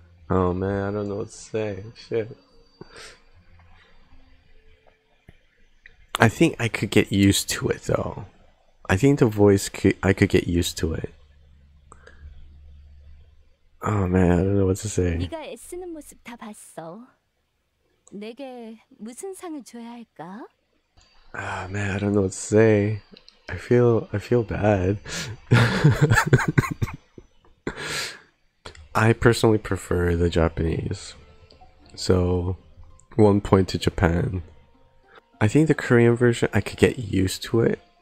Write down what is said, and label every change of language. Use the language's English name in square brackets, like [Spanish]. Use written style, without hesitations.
[English] Oh man, I don't know what to say. Shit. I think I could get used to it though. I think the voice I could get used to it. Oh man, I don't know what to say. [Korean] 네가 애쓰는 모습 다 봤어. 내게 무슨 상을 줘야 할까? [English] Ah man, I don't know what to say. I feel bad. I personally prefer the Japanese. So, one point to Japan. I think the Korean version, I could get used to it.